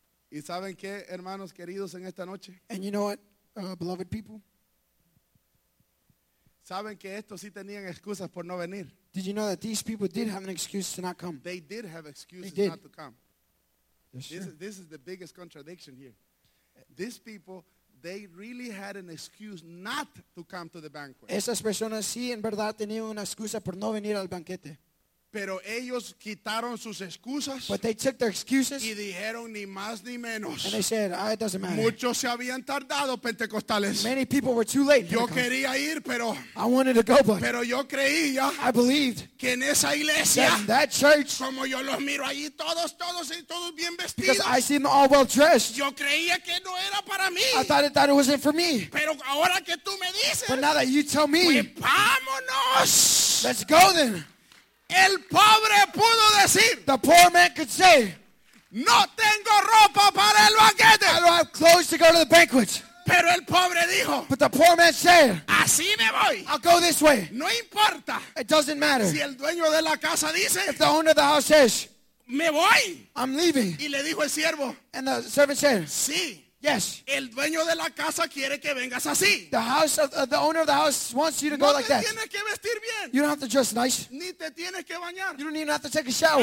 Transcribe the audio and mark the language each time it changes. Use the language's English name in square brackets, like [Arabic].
[Spanish] ¿Y saben qué, hermanos queridos, en esta noche? [English] And you know what, beloved people? [Spanish] ¿Saben que estos sí tenían excusas por no venir? [English] Did you know that these people did have an excuse to not come? They did have excuses did. Not to come. Yes, this is the biggest contradiction here. These people, they really had an excuse not to come to the banquet. [Spanish] Esas personas sí en verdad tenían una excusa por no venir al banquete. Pero ellos quitaron sus excusas. [English] But they took their excuses. [Spanish] Y dijeron ni más ni menos. [English] And they said, ah, it doesn't matter. [Spanish] Muchos se habían tardado pentecostales. [English] Many people were too late. [Spanish] Yo quería ir, pero. [English] I wanted to go, but. [Spanish] Pero yo creía. [English] I believed. [Spanish] Que en esa iglesia. [English] That church. [Spanish] Como yo los miro allí todos y todos bien vestidos. [English] Because I see them all well dressed. [Spanish] Yo creía que no era para mí. [English] I thought it wasn't for me. [Spanish] Pero ahora que tú me dices. [English] But now that you tell me. [Spanish] Pues vámonos. [English] Let's go then. [Spanish] El pobre pudo decir, [English] the poor man could say, [Spanish] no tengo ropa para el banquete. [English] I don't have clothes to go to the banquet. [Spanish] Pero el pobre dijo, [English] but the poor man said, [Spanish] así me voy. [English] I'll go this way. [Spanish] No importa. [English] It doesn't matter. [Spanish] Si el dueño de la casa dice, [English] if the owner of the house says, [Spanish] me voy. [English] I'm leaving. [Spanish] Y le dijo el siervo, [English] and the servant said, [Spanish] sí. [English] Yes. [Spanish] El dueño de la casa quiere que vengas así. [English] The house of the owner of the house wants you to go like that. [Spanish] No te tienes que vestir bien. [English] You don't have to dress nice. [Spanish] Ni te tienes que bañar. [English] You don't even have to take a shower.